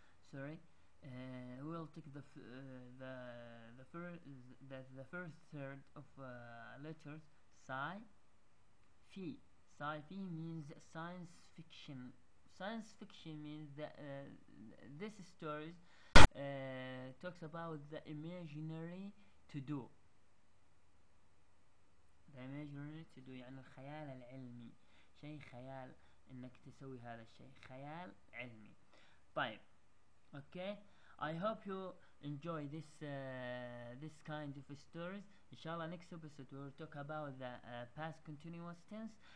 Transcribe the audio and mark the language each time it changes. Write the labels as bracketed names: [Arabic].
[English] Sorry, we'll take the first third of letters, sci-fi. Sci-fi means science fiction. Science fiction means that this stories talks about the imaginary. To do [Arabic] يعني الخيال العلمي، شيء خيال انك تسوي هذا الشيء، خيال علمي. [English] طيب okay, I hope you enjoy this kind of stories. ان شاء الله next episode we'll talk about the past continuous tense.